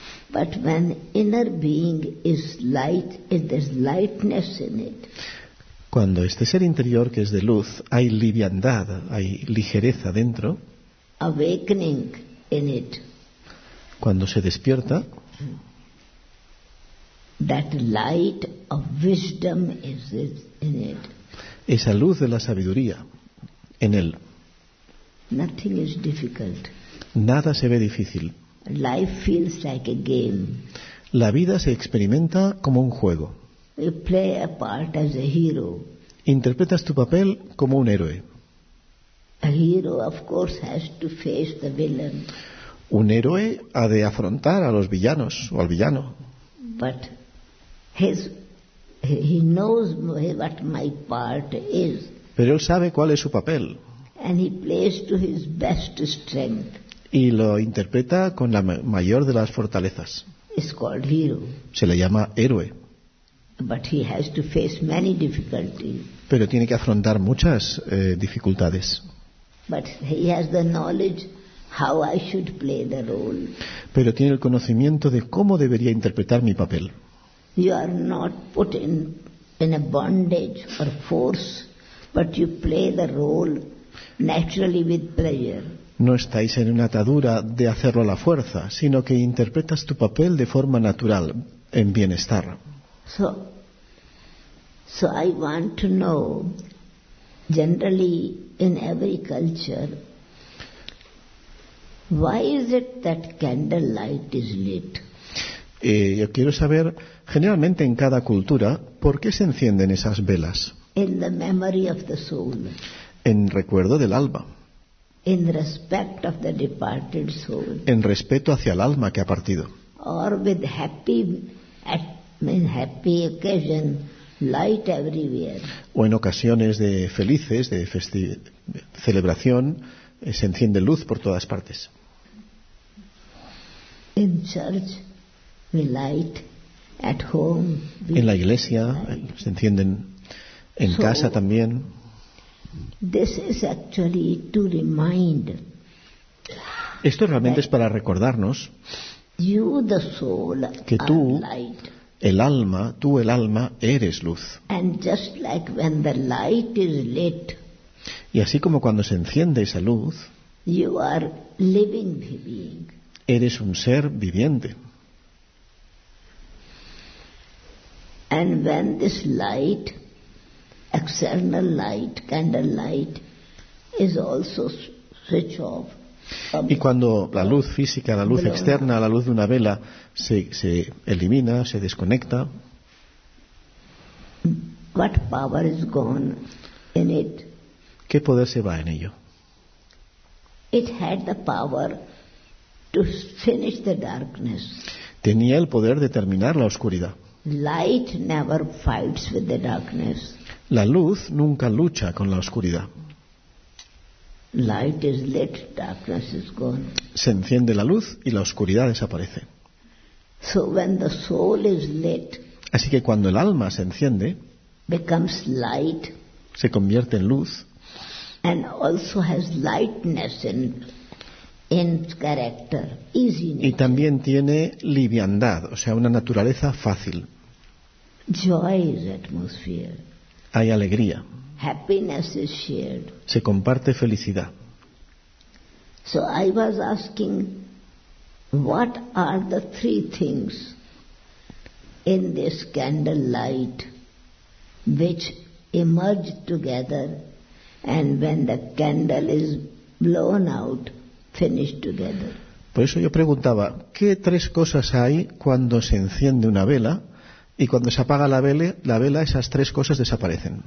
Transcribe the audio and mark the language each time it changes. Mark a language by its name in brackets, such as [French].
[English] But when inner being is light, if there's lightness in it. [Spanish] Cuando este ser interior que es de luz, hay liviandad, hay ligereza dentro. [English] Awakening in it. [Spanish] Cuando se despierta. [English] That light of wisdom is in it. [Spanish] Esa luz de la sabiduría en él. [English] Nothing is difficult. [Spanish] Nada se ve difícil. [English] Life feels like a game. [Spanish] La vida se experimenta como un juego. [English] You play a part as a hero. [Spanish] Interpretas tu papel como un héroe. [English] A hero, of course, has to face the villain. [Spanish] Un héroe ha de afrontar a los villanos o al villano. [English] But he knows what my part is. [Spanish] Pero él sabe cuál es su papel. [English] And he plays to his best strength. [Spanish] Y lo interpreta con la mayor de las fortalezas. [English] It's called hero. [Spanish] Se le llama héroe. [English] But he has to face many difficulties. [Spanish] Pero tiene que afrontar muchas dificultades. [English] But he has the knowledge how I should play the role. [Spanish] Pero tiene el conocimiento de cómo debería interpretar mi papel. [English] You are not put in a bondage or force, but you play the role naturally with pleasure. [Spanish] No estáis en una atadura de hacerlo a la fuerza, sino que interpretas tu papel de forma natural, en bienestar. [English] So I want to know, generally in every culture, why is it that candlelight is lit? [Spanish] Yo quiero saber, generalmente en cada cultura, ¿por qué se encienden esas velas? [English] In the memory of the soul. [Spanish] En recuerdo del alma. [English] In respect of the departed soul. [Spanish] En respeto hacia el alma que ha partido. [English] Or with happy at mean happy occasion, light everywhere. [Spanish] O en ocasiones de felices, de celebración, se enciende luz por todas partes. [English] In church, we light. At home, [Spanish] en la iglesia [English] light. [Spanish] Se encienden. En [English] so, [Spanish] casa también. [English] This is actually to remind. [Spanish] Esto realmente es para recordarnos. [English] You, the soul, [Spanish] que tú [English] are light. [Spanish] El alma, tú el alma, eres luz. [English] And just like when the light is lit, [Spanish] y así como cuando se enciende esa luz, [English] you are living being. [Spanish] Eres un ser viviente. [English] And when this light, external light, candle light, is also switch off. [Spanish] Y cuando la luz física, la luz externa, la luz de una vela se elimina, se desconecta. [English] What power is gone in it? [Spanish] ¿Qué poder se va en ello? [English] It had the power to finish the darkness. [Spanish] Tenía el poder de terminar la oscuridad. [English] Light never fights with the darkness. [Spanish] La luz nunca lucha con la oscuridad. [English] Light is lit, darkness is gone. [Spanish] Se enciende la luz y la oscuridad desaparece. [English] So when the soul is lit, [Spanish] así que cuando el alma se enciende, [English] becomes light, [Spanish] se convierte en luz, [English] and also has lightness in character, easy nature. [Spanish] Y también tiene liviandad, o sea, una naturaleza fácil. [English] Joy is atmosphere. [Spanish] Hay alegría. [English] Happiness is shared. [Spanish] Se comparte felicidad. [English] So I was asking, what are the three things in this candlelight which emerge together, and when the candle is blown out, finish together? [Spanish] Por eso yo preguntaba, ¿qué tres cosas hay cuando se enciende una vela y cuando se apaga la vela esas tres cosas desaparecen?